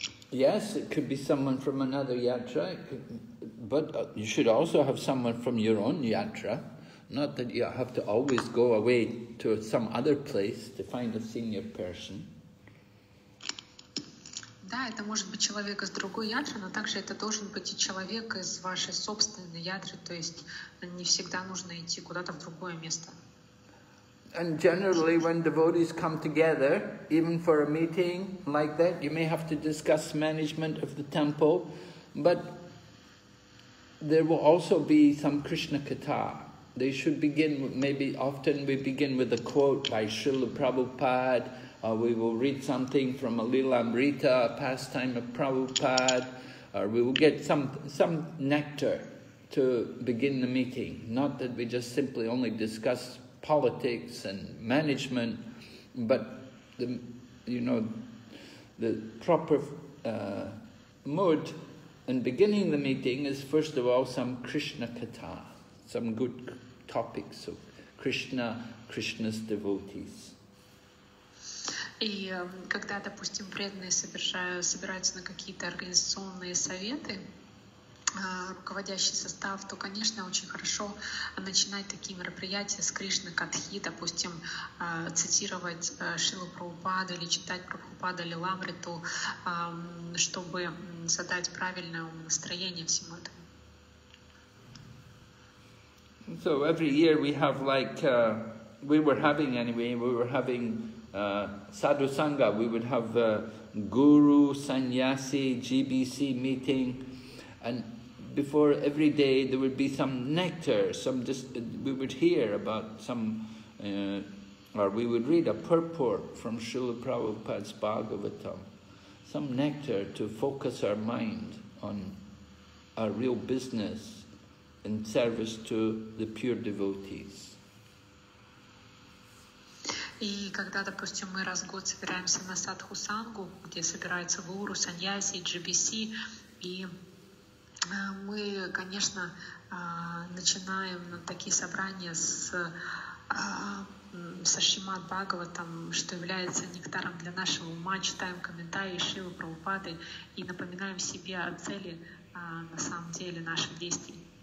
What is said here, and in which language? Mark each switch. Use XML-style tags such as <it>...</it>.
<en>Yes, it could be someone from another yatra, but you should also have someone from your own yatra. Not that you have to always go away to some other place to find a senior person.</en> <ru>Да, это может быть человек из другой ядры, но также это должен быть и человек из вашей собственной ядры, то есть не всегда нужно идти куда-то в другое место.</ru> <en>And generally when devotees come together, even for a meeting like that, you may have to discuss management of the temple, but there will also be some Krishna Katha. They should begin, maybe often we begin with a quote by Srila Prabhupada, or we will read something from a Lilamrita, a pastime of Prabhupada, or we will get some nectar to begin the meeting. Not that we just simply only discuss politics and management, but the proper mood in beginning the meeting is first of all some Krishna Katha, some good topics of Krishna, Krishna's devotees.</en> <ru>И когда, допустим, преданные собираются на какие-то организационные советы, руководящий состав, то, конечно, очень хорошо начинать такие мероприятия с Кришны Катхи, допустим, цитировать Шрилу Прабхупаду или читать Прабхупаду Лиламриту, чтобы задать правильное настроение всему этому.</ru> <en>So every year we have Sadhu Sangha, we would have the Guru Sanyasi GBC meeting, and before every day there would be some nectar, we would hear about we would read a purport from Srila Prabhupada's Bhagavatam, some nectar to focus our mind on our real business in service to the pure devotees.</en> <ru>И когда, допустим, мы раз в год собираемся на садху-сангу, где собираются гуру, саньяси, джибиси, и мы, конечно, начинаем на такие собрания со Шримад-Бхагаватам, что является нектаром для нашего ума, читаем комментарии Шрилы Прабхупады и напоминаем себе о цели, на самом деле, наших действий.</ru>